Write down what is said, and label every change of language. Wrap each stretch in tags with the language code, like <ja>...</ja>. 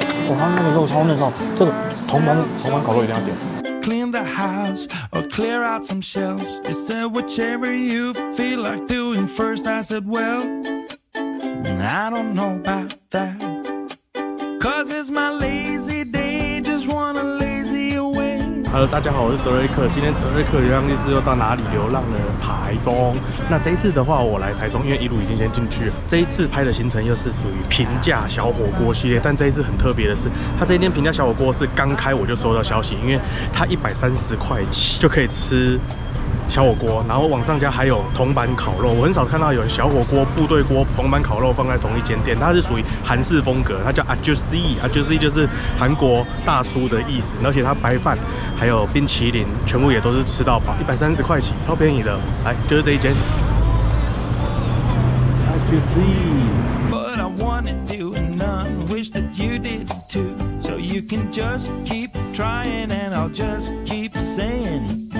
<zh>哇，那个肉超嫩哦，这个铜板烤肉一定要点。</zh> <en>Clean the house or clear out some shelves. You said whichever you feel like doing first. I said, well, I don't know about that. Cause it's my lazy day, just wanna lazy away.</en> <zh>Hello, 大家好，我是德瑞克。今天德瑞克流浪日志又到哪里流浪呢？台中。那这一次的话，我来台中，因为一路已经先进去了。这一次拍的行程又是属于平价小火锅系列，但这一次很特别的是，它这一间平价小火锅是刚开我就收到消息，因为它130块起就可以吃小火锅，然后往上加还有铜板烤肉。我很少看到有小火锅、部队锅、铜板烤肉放在同一间店，它是属于韩式风格，它叫 Ajusee 就是韩国大叔的意思。而且它白饭还有冰淇淋全部也都是吃到饱，130块起，超便宜的。来，就是这一间</zh> <en>Ajusee。 But I wanna do none wish that you did too, so you can just keep trying and I'll just keep saying</en>